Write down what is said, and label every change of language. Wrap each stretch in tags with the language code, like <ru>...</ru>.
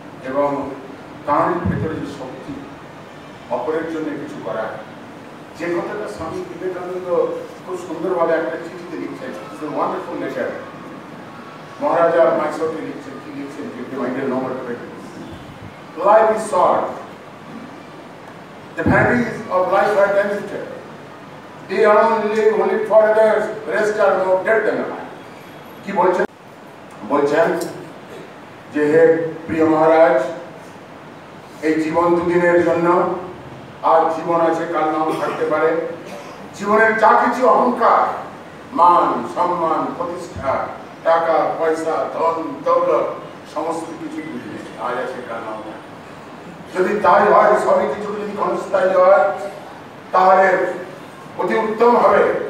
<bn>এবং তার ভেতরে যে শক্তি অপরের জন্য কিছু করা, যে কথাটা স্বামী বিবেকানন্দ খুব সুন্দরভাবে একটা চিঠিতে লিখছেন, ওয়ান্ডারফুল লেটার, মহারাজা মাইসোরকে লিখছেন, কি লিখছেন নম্বর</bn> <en>Life is short. The vanities of life are transitory. They alone live only for the rest are more dead than alive.</en> <bn>কি বলছেন? বলছেন যে হে প্রিয় মহারাজ, এই জীবন দুদিনের জন্য, আর জীবন আছে কাল নাও থাকতে পারে, জীবনের যা কিছু অহংকার, মান সম্মান প্রতিষ্ঠা টাকা পয়সা ধন দৌলত সমস্ত কিছু বুঝলে আজ আছে কাল নাও থাকে, যদি তাই হয় সবই কিছু যদি ক্ষণস্থায়ী হয় তাহলে অতি উত্তম হবে।</bn>